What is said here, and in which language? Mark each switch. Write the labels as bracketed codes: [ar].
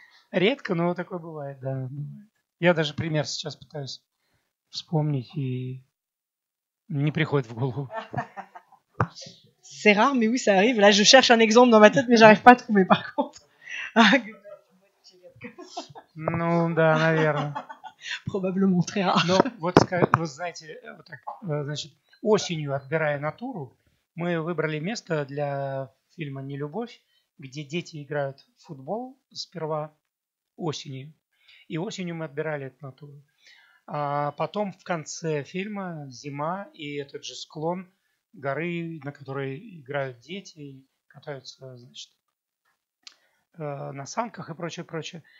[ru] Редко, но такое бывает, да. Я даже пример сейчас пытаюсь вспомнить, и не приходит в голову. [fr] C'est rare, mais oui, ça arrive. Là, je cherche un exemple dans ma tête, mais j'arrive pas à trouver, par contre. [ru] Ну да, наверное. [fr] Probablement très rare. [ru] Но вот, вы знаете, вот так, значит, осенью отбирая натуру, мы выбрали место для фильма «Нелюбовь», где дети играют в футбол сперва осенью. И осенью мы отбирали эту натуру. А потом в конце фильма зима и этот же склон горы, на которой играют дети, катаются, значит, на санках и прочее, прочее.